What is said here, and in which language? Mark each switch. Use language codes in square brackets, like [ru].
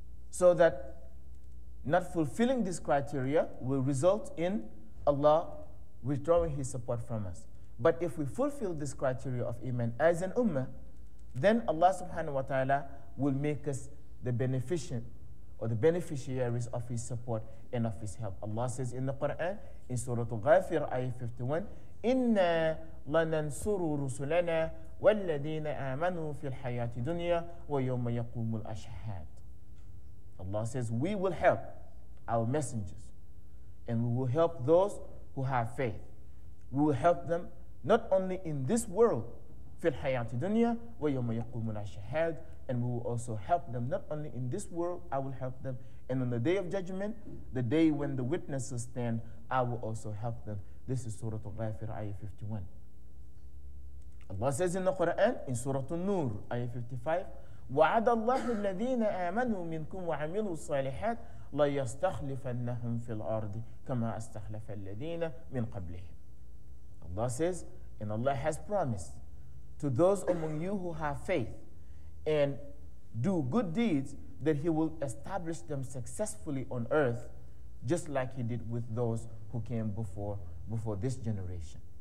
[en] So that not fulfilling this criteria will result in Allah withdrawing His support from us. But if we fulfill this criteria of Iman as an ummah, then Allah subhanahu wa ta'ala will make us the beneficiary or the beneficiaries of His support and of His help. Allah says in the Quran, in Surah Al-Ghafir, ayah 51, [ar] إِنَّا لَنَنْصُرُ رُسُلَنَا وَالَّذِينَ آمَنُوا فِي الْحَيَاةِ دُنْيَا وَيَوْمَ يَقُومُ الْأَشْهَادِ. [en] Allah says, we will help our messengers, and we will help those who have faith. We will help them not only in this world, [ar] فِي الْحَيَاةِ دُنْيَا وَيَوْمَ يَقُومُ الْأَشْهَادِ, [en] and we will also help them not only in this world, I will help them, and on the day of judgment, the day when the witnesses stand, I will also help them. This is Surah Al-Ghafir, ayah 51. Allah says in the Quran, in Surah An-Nur, ayah 55, [ar] وَعَدَ اللَّهُ الَّذِينَ آمَنُوا مِنْكُمْ وَعَمِلُوا الصَّالِحَاتِ لَيَسْتَخْلِفَنَّهُمْ فِي الْأَرْضِ كَمَا أَسْتَخْلَفَ الَّذِينَ مِنْ قَبْلِهِمْ. [en] Allah says, and Allah has promised to those among you who have faith and do good deeds, that He will establish them successfully on earth, just like He did with those who came before this generation.